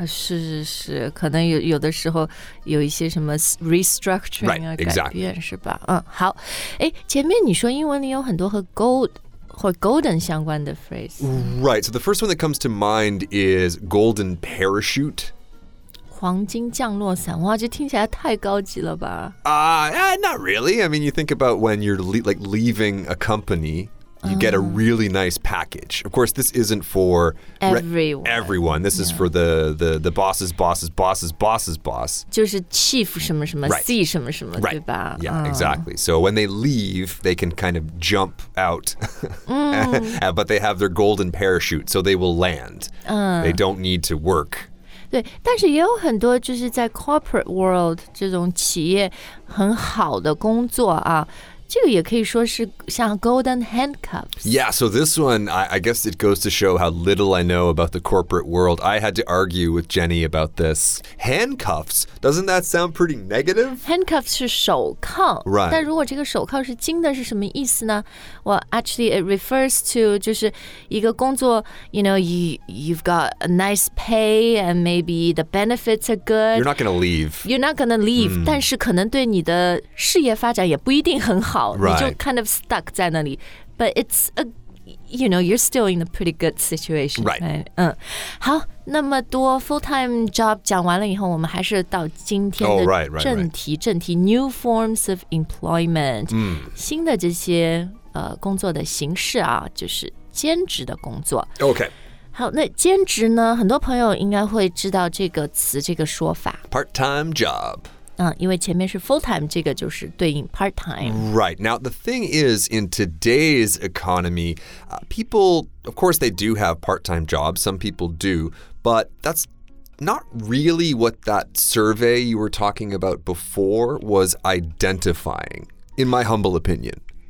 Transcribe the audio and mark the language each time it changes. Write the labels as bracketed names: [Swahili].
[Chinese] 是是是可能 有的时候有一些什么 restructuring、 [English] right, [Chinese] 改变、 [English] exactly. [Chinese] 是吧好前面你说英文里有很多和 gold或 golden 相关的 phrase. [English] Right, so the first one that comes to mind is golden parachute. [Chinese] 黄金降落伞哇这听起来太高级了吧。 [English] Not really. I mean, you think about when you're like leaving a company, you get a really nice package. Of course, this isn't for everyone. This is for the boss's boss's boss's boss's boss. [Chinese] 就是 chief 什么什么 [English] right. [Chinese] C 什么什么、 [English] right. [Chinese] 对吧。 [English] Yeah, exactly. So when they leave, they can kind of jump out. but they have their golden parachute, so they will land. They don't need to work. [Chinese] 对，但是也有很多就是在 corporate world 这种企业很好的工作啊，这个也可以说是像 golden handcuffs. [English] Yeah, so this one, I guess it goes to show how little I know about the corporate world. I had to argue with Jenny about this. Handcuffs, doesn't that sound pretty negative? [Chinese] Handcuffs 是手铐。 [English] Right. [Chinese] 但如果这个手铐是金的是什么意思呢？ [English] Well, actually, it refers to [Chinese] 就是一个工作 [English] you know, you've got a nice pay and maybe the benefits are good. You're not going to leave. You're not going to leave. [Chinese] 但是可能对你的事业发展也不一定很好 [English] right. [Chinese] 你就 [English] kind of stuck [Chinese] 在那里 [English] but it's a you know you're still in a pretty good situation right, [Chinese] right? 好那么多 full-time job 讲完了以后我们还是到今天的正题、 [English] oh, right. [Chinese] 正题 [English] new forms of employment、 [Chinese] 新的这些工作的形式啊就是兼职的工作 [English] okay [Chinese] 好，那兼职呢很多朋友应该会知道这个词这个说法 [English] part-time job [Chinese] 因为前面是 full-time, 这个就是对应 part-time. [English] Right. Now, the thing is, in today's economy, people, of course, they do have part-time jobs. Some people do. But that's not really what that survey you were talking about before was identifying, in my humble opinion.